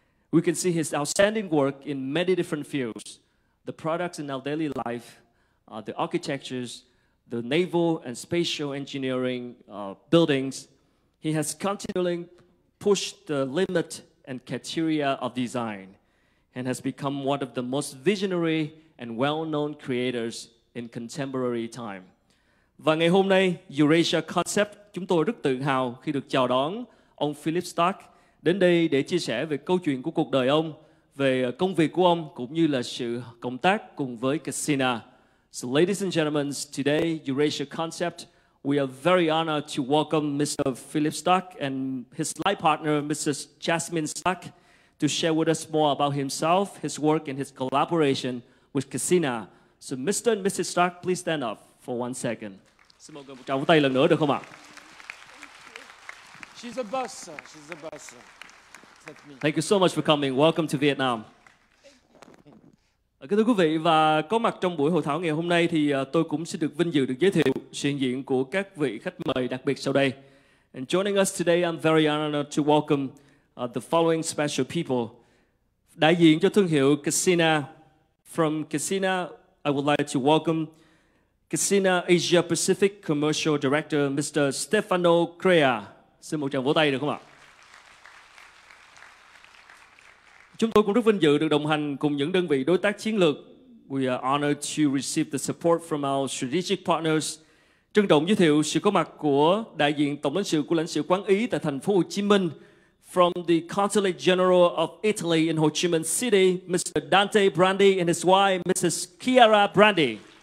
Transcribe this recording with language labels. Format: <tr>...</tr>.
<en>We can see his outstanding work in many different fields, the products in our daily life, the architectures, the naval and spatial engineering buildings. He has continually pushed the limit and criteria of design and has become one of the most visionary and well-known creators in contemporary time.</en> <vi>Và ngày hôm nay, Eurasia Concept, chúng tôi rất tự hào khi được chào đón ông Philippe Starck đến đây để chia sẻ về câu chuyện của cuộc đời ông, về công việc của ông, cũng như là sự cộng tác cùng với Casina.</vi> <en>So ladies and gentlemen, today, Eurasia Concept, we are very honored to welcome Mr. Philippe Starck and his life partner, Mrs. Jasmine Starck, to share with us more about himself, his work, and his collaboration with Casina. So Mr. and Mrs. Starck, please stand up. For one second.</en> <vi>Xin mọi người một tràng vỗ tay lần nữa được không ạ?</vi> <en>She's a boss. She's a boss. Thank you so much for coming. Welcome to Vietnam.</en> <vi>Kính thưa quý vị, và có mặt trong buổi hội thảo ngày hôm nay thì tôi cũng xin được vinh dự được giới thiệu sự hiện diện của các vị khách mời đặc biệt sau đây.</vi> <en>And joining us today, I'm very honored to welcome the following special people.</en> <vi>Đại diện cho thương hiệu Casina.</vi> <en>From Casina, I would like to welcome Casina Asia Pacific Commercial Director, Mr.</en> <vi>Stefano Crea. Xin một tràng vỗ tay được không ạ? Chúng tôi cũng rất vinh dự được đồng hành cùng những đơn vị đối tác chiến lược.</vi> <en>We are honored to receive the support from our strategic partners.</en> <vi>Trân trọng giới thiệu sự có mặt của đại diện Tổng lãnh sự của lãnh sự quán Ý tại thành phố Hồ Chí Minh.</vi> <en>From the Consulate General of Italy in Ho Chi Minh City, Mr. Dante Brandi and his wife, Mrs. Chiara Brandi.</en>